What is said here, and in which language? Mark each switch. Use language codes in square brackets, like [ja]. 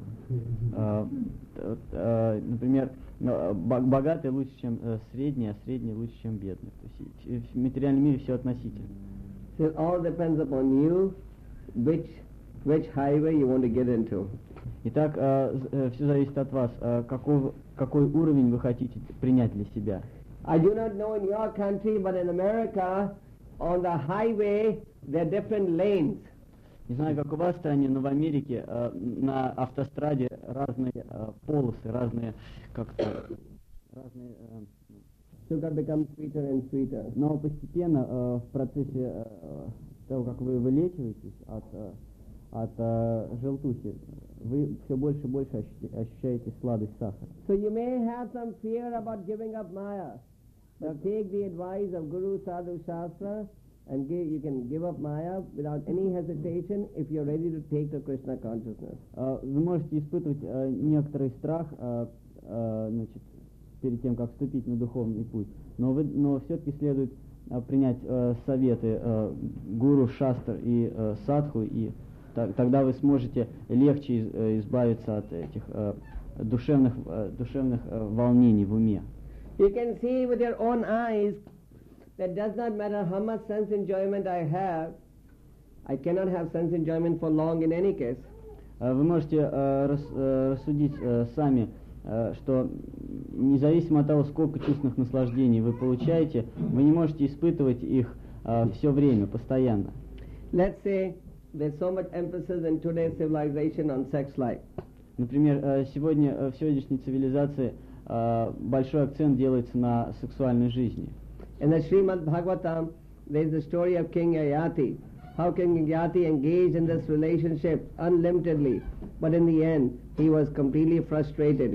[ru] Например, богатый лучше, чем средний, а средний лучше, чем бедный. То есть в материальном мире все относительно. [en] So it all depends upon you, which highway you want to get into. [ru] Итак, все зависит от вас. Какой уровень вы хотите принять для себя? [en] I do not know in your country, but in America, on the highway, there are different lanes. [ru] Не знаю, как у вас в стране, но в Америке на автостраде разные полосы, разные как-то разные. [en] Sugar becomes sweeter and sweeter. [ru] Но постепенно в процессе того, как вы вылечиваетесь от от желтухи, вы все больше и больше ощущаете сладость сахара. [en] So you may have some fear about giving up Maya. So take the advice of Guru Sadhu Shastra and you can give up Maya without any hesitation if you're ready to take the Krishna consciousness. [ru] Вы можете испытывать некоторый страх, значит, перед тем, как вступить на духовный путь. Но все-таки следует принять советы Гуру Шастр и Садху, и тогда вы сможете легче избавиться от этих душевных волнений в уме. [en] You can see with your own eyes that does not matter how much sense enjoyment I have, I cannot have sense enjoyment for long in any case. [ru] Вы можете рассудить сами, что независимо от того, сколько чувственных наслаждений вы получаете, вы не можете испытывать их все время, постоянно. [en] Let's say there's so much emphasis in today's civilization on sex life. [ru] Например, сегодня в сегодняшней цивилизации большой акцент делается на сексуальной жизни. [en] In the Srimad Bhagavatam, there's the story of King Ayati. How King Ayati engaged in this relationship unlimitedly, but in the end, he was completely frustrated.